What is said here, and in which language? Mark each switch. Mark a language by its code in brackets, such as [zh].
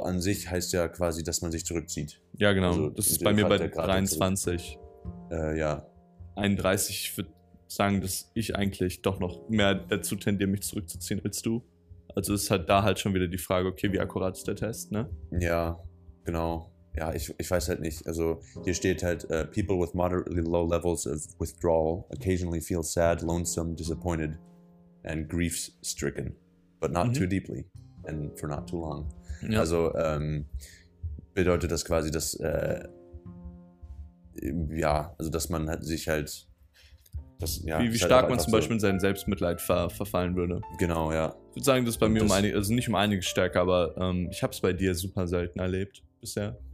[de] An sich heißt ja quasi, dass man sich zurückzieht. Ja, genau. Also das ist bei mir bei 23. Ja. 31, ich würde sagen, dass ich eigentlich doch noch mehr dazu tendiere, mich zurückzuziehen, als du. Also ist halt da halt schon wieder die Frage, okay, wie akkurat ist der Test, ne? Ja, genau. Ja, ich weiß halt nicht. Also hier steht halt, [en] people with moderately low levels of withdrawal occasionally feel sad, lonesome, disappointed and grief stricken, but not too deeply and for not too long. [de] Ja. Also bedeutet das quasi, dass dass man halt sich halt das, ja, wie stark halt man zum Beispiel in sein Selbstmitleid verfallen würde. Genau, ja. Ich würde sagen, das ist bei mir nicht um einiges stärker, aber ich habe es bei dir super selten erlebt bisher.